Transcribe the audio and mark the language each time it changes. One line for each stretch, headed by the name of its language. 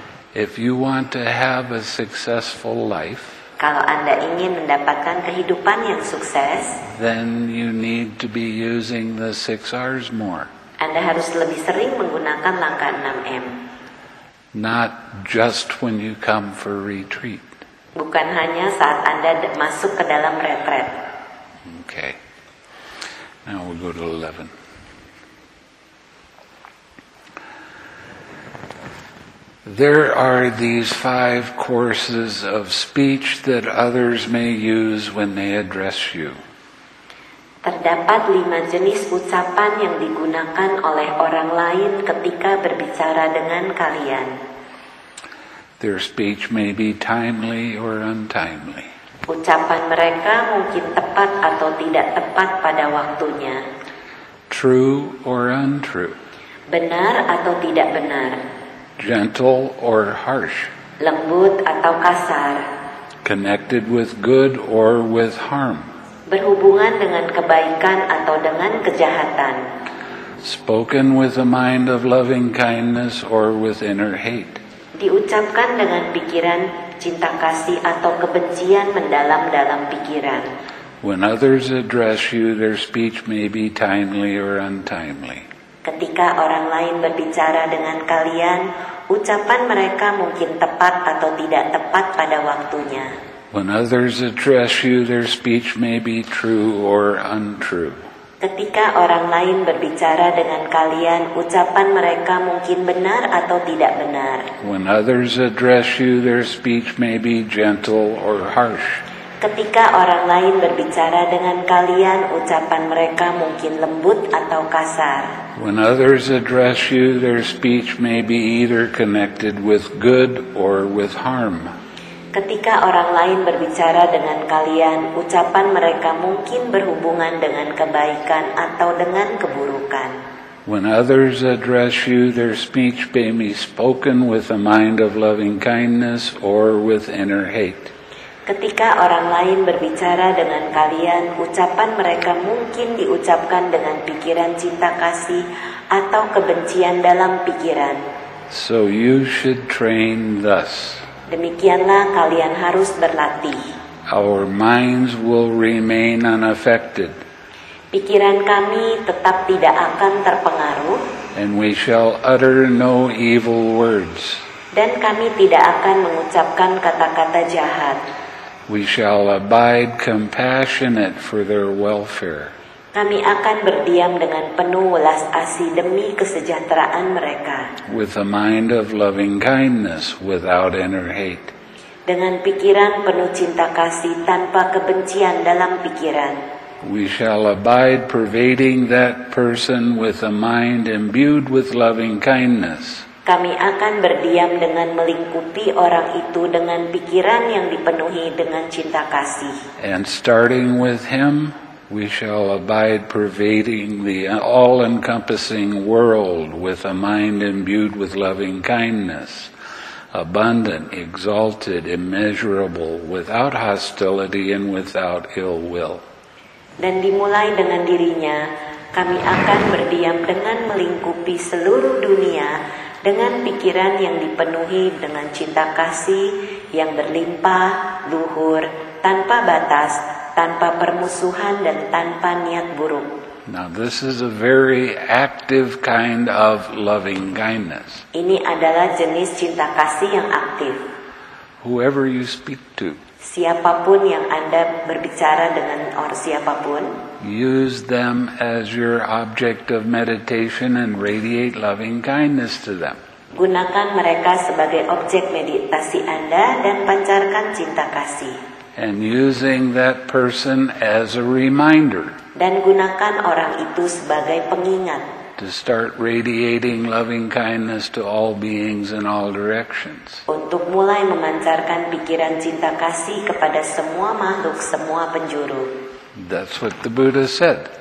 English: If you want to have a successful life,
Indonesian: kalau Anda ingin mendapatkan kehidupan yang sukses,
English: then you need to be using the 6 R's more.
Indonesian: Anda harus lebih sering menggunakan langkah 6M.
English: Not just when you come for retreat.
Indonesian: Bukan hanya saat Anda masuk ke dalam retret.
English: Okay. Now we'll go to 11. There are these 5 courses of speech that others may use when they address you.
Indonesian: Terdapat 5 jenis ucapan yang digunakan oleh orang lain ketika berbicara dengan kalian.
English: Their speech may be timely or untimely.
Indonesian: Ucapan mereka mungkin tepat atau tidak tepat pada waktunya.
English: True or untrue.
Indonesian: Benar atau tidak benar.
English: Gentle or harsh.
Indonesian: Lembut atau kasar.
English: Connected with good or with harm.
Indonesian: Berhubungan dengan kebaikan atau dengan kejahatan.
English: Spoken with a mind of loving kindness or with inner hate.
Indonesian: Diucapkan dengan pikiran cinta kasih atau kebencian mendalam dalam pikiran.
English: When others address you, their speech may be timely or untimely.
Indonesian: Ketika orang lain berbicara dengan kalian, ucapan mereka mungkin tepat atau tidak tepat pada waktunya.
English: When others address you, their speech may be true or untrue.
Indonesian: Ketika orang lain berbicara dengan kalian, ucapan mereka mungkin benar atau tidak benar.
English: When others address you, their speech may be gentle or harsh.
Indonesian: Ketika orang lain berbicara dengan kalian, ucapan mereka mungkin lembut atau kasar.
English: When others address you, their speech may be either connected with good or with harm.
Indonesian: Ketika orang lain berbicara dengan kalian, ucapan mereka mungkin berhubungan dengan kebaikan atau dengan keburukan.
English: When others address you, their speech may be spoken with a mind of loving kindness or with inner hate.
Indonesian: Ketika orang lain berbicara dengan kalian, ucapan mereka mungkin diucapkan dengan pikiran cinta kasih atau kebencian dalam pikiran.
English: So you should train thus.
Indonesian: Demikianlah kalian harus berlatih.
English: Our minds will remain unaffected.
Indonesian: Pikiran kami tetap tidak akan terpengaruh.
English: And we shall utter no evil words.
Indonesian: Dan kami tidak akan mengucapkan kata-kata jahat.
English: We shall abide compassionate for their welfare.
Indonesian: Kami akan berdiam dengan penuh welas asih demi kesejahteraan mereka.
English: With a mind of loving kindness without inner hate.
Indonesian: Dengan pikiran penuh cinta kasih tanpa kebencian dalam pikiran.
English: We shall abide pervading that person with a mind imbued with loving kindness.
Indonesian: Kami akan berdiam dengan melingkupi orang itu dengan pikiran yang dipenuhi dengan cinta kasih.
English: And starting with him, we shall abide pervading the all-encompassing world with a mind imbued with loving kindness, abundant, exalted, immeasurable, without hostility and without ill will.
Indonesian: Dan dimulai dengan dirinya, kami akan berdiam dengan melingkupi seluruh dunia dengan pikiran yang dipenuhi dengan cinta kasih yang berlimpah, luhur, tanpa batas, tanpa permusuhan dan tanpa niat buruk.
English: Now this is a very active kind of loving kindness.
Indonesian: Ini adalah jenis cinta kasih yang aktif.
English: Whoever you speak to.
Indonesian: Siapapun yang Anda berbicara dengan orang siapapun.
English: Use them as your object of meditation and radiate loving kindness to them.
Indonesian: Gunakan mereka sebagai objek meditasi Anda dan pancarkan cinta kasih.
English: And using that person as a reminder.
Indonesian: Dan gunakan orang itu sebagai pengingat.
English: To start radiating loving kindness to all beings in all directions.
Indonesian: Untuk mulai memancarkan pikiran cinta kasih kepada semua makhluk, semua penjuru.
English: That's what the Buddha said.